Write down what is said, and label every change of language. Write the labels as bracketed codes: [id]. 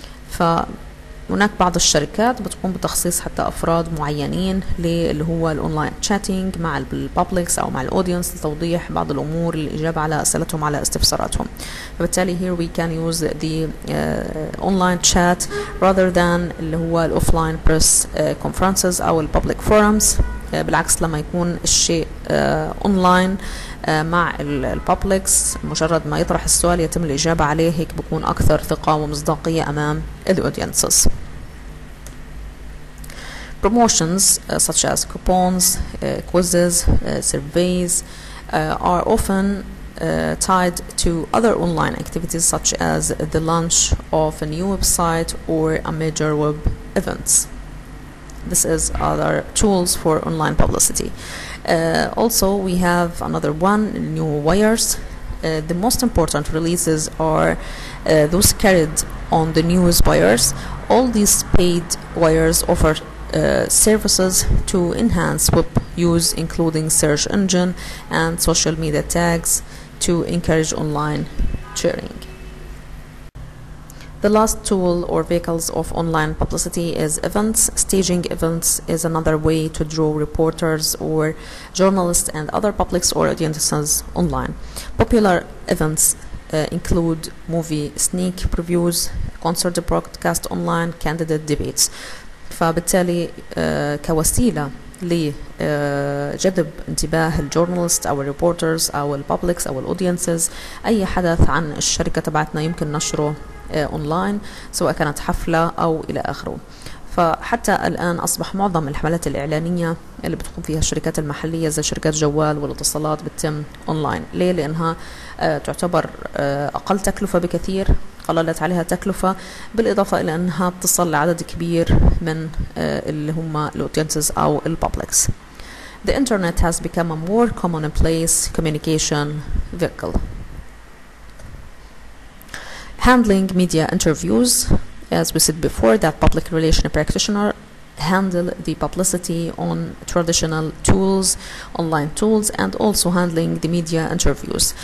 [ar] فهناك بعض الشركات بتقوم بتخصيص حتى أفراد معينين للي هو الأونلاين chatting مع البابليكس أو مع الأودينس لتوضيح بعض الأمور للإجابة على أسئلتهم على استفساراتهم. [en] فبالتالي here we can use the online chat rather than اللي هو offline press conferences أو public forums. [ar] بالعكس لما يكون الشيء online مع البابليكس، مجرد ما يطرح السؤال يتم الإجابة عليه، هيك بكون أكثر ثقة ومصداقية أمام الأودينسز. [en] Promotions such as coupons, quizzes, surveys are often tied to other online activities such as the launch of a new website or a major web event. This is other tools for online publicity. Also, we have another one, new wires. The most important releases are those carried on the news wires. All these paid wires offer services to enhance web use, including search engine and social media tags to encourage online sharing. The last tool or vehicles of online publicity is events. Staging events is another way to draw reporters or journalists and other public audiences online. Popular events include movie sneak previews, concert broadcast online, candidate debates. [ar] فبالتالي كوسيلة لجذب انتباه الجورنالست او الريبورترز او الببليكس او الاودينسز اي حدث عن الشركة تبعتنا يمكن نشره اونلاين سواء كانت حفلة او الى اخره. فحتى الان اصبح معظم الحملات الاعلانية اللي بتقوم فيها الشركات المحلية زي شركات جوال والاتصالات بتتم اونلاين. ليه؟ لانها تعتبر اقل تكلفة بكثير، قللت عليها تكلفة، بالإضافة إلى أنها بتصل لعدد كبير من اللي هم الأودينسز أو الببليكس. [en] The internet has become a more commonplace communication vehicle. Handling media interviews, as we said before, that public relations practitioner handle the publicity on traditional tools, online tools, and also handling the media interviews.